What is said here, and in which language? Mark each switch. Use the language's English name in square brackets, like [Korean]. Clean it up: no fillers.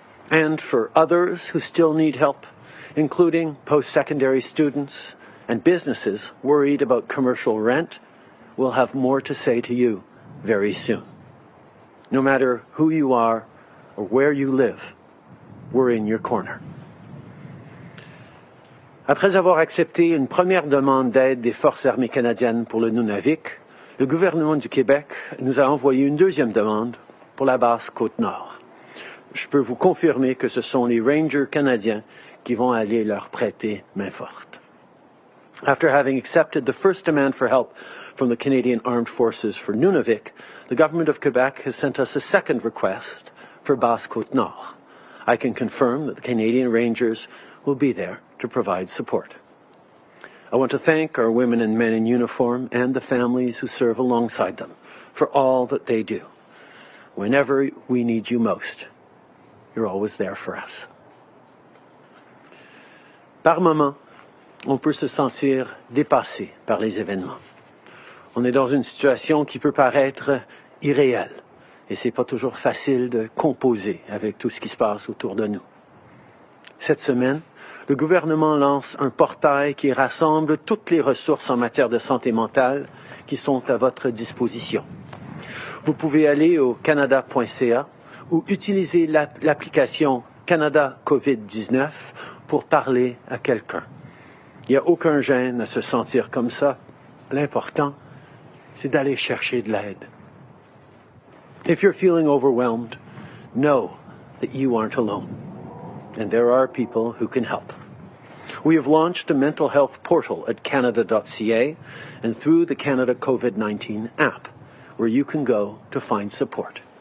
[English] And for others who still need help, including post-secondary students and businesses worried about commercial rent, we'll have more to say to you very soon. No matter who you are or where you live, we're in your corner. [French] Après avoir accepté une première demande d'aide des Forces armées canadiennes pour le Nunavik, le gouvernement du Québec nous a envoyé une deuxième demande pour la base Côte-Nord. Je peux vous confirmer que ce sont les Rangers canadiens qui vont aller leur prêter main-forte. [English] After having accepted the first demand for help from the Canadian Armed Forces for Nunavik, the government of Quebec has sent us a second request for base Côte-Nord. I can confirm that the Canadian Rangers will be there to provide support. I want to thank our women and men in uniform and the families who serve alongside them for all that they do. Whenever we need you most, you're always there for us. [French] Par moments, on peut se sentir dépassé par les événements. On est dans une situation qui peut paraître irréelle et c'est pas toujours facile de composer avec tout ce qui se passe autour de nous. Cette semaine, le gouvernement lance un portail qui rassemble toutes les ressources en matière de santé mentale qui sont à votre disposition. Vous pouvez aller au canada.ca ou utiliser l'application Canada COVID-19 pour parler à quelqu'un. Il n'y a aucun gêne à se sentir comme ça. L'important, c'est d'aller chercher de l'aide. [English] If you're feeling overwhelmed, know that you aren't alone. And there are people who can help. We have launched a mental health portal at canada.ca and through the Canada COVID-19 app, where you can go to find support.